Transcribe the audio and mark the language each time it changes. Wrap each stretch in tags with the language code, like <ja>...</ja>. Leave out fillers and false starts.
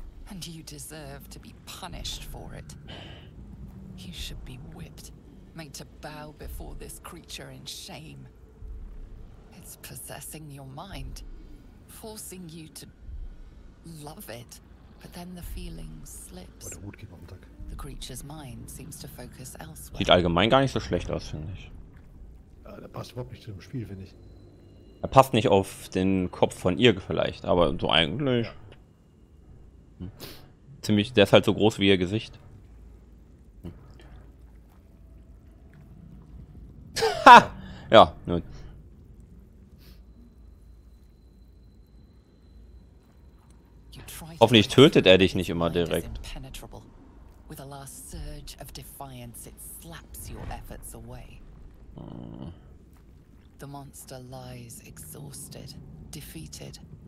<en>And you deserve to be punished for it. You should be whipped, made to bow before this creature in shame. It's possessing your mind, forcing you to love it, but then the feeling slips. The creature's mind seems to focus elsewhere.</en> <de>Sieht allgemein gar nicht so schlecht aus, finde ich. Ja, der passt überhaupt nicht zu dem Spiel, finde ich. Er passt nicht auf den Kopf von ihr vielleicht, aber so eigentlich. Ja. Ziemlich, der ist halt so groß wie ihr Gesicht. Ha! Ja, nun. Hoffentlich tötet er dich nicht immer direkt.</de> <en>With a last surge of defiance, it slaps your efforts away. The monster lies exhausted, defeated.</en>